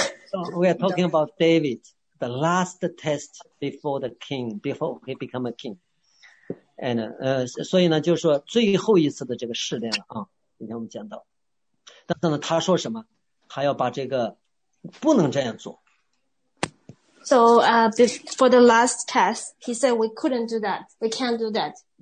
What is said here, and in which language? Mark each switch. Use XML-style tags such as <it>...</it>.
<en>So we are talking about David. The last test before the king, before he become a king.</en> <zh>And, 所以呢就是说最后一次的这个试炼了啊，今天我们讲到。但是呢他说什么，他要把这个不能这样做。</zh> <en>So, for the last test, he said we couldn't do that, we can't do that.</en>